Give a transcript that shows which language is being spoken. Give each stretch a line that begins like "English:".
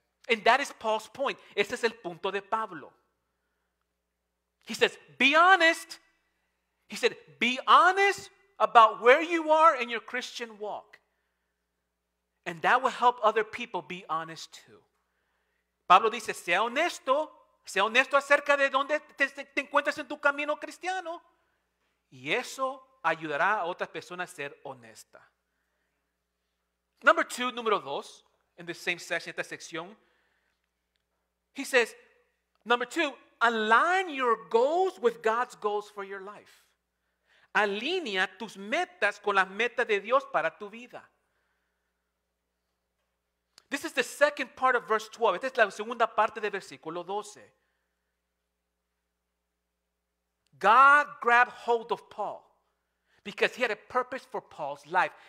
English: And that is Paul's point.
Spanish: Ese es el punto de Pablo.
English: He says, be honest. He said, be honest about where you are in your Christian walk. And that will help other people be honest too.
Spanish: Pablo dice, sea honesto acerca de donde te encuentras en tu camino cristiano. Y eso ayudará a otras personas a ser honesta. Número dos,
English: in the same section,
Spanish: esta sección.
English: He says, number 2, align your goals with God's goals for your life.
Spanish: Alinea tus metas con las metas de Dios para tu vida.
English: This is the second part of verse 12.
Spanish: Esta es la segunda parte del versículo 12.
English: God grabbed hold of Paul because he had a purpose for Paul's life.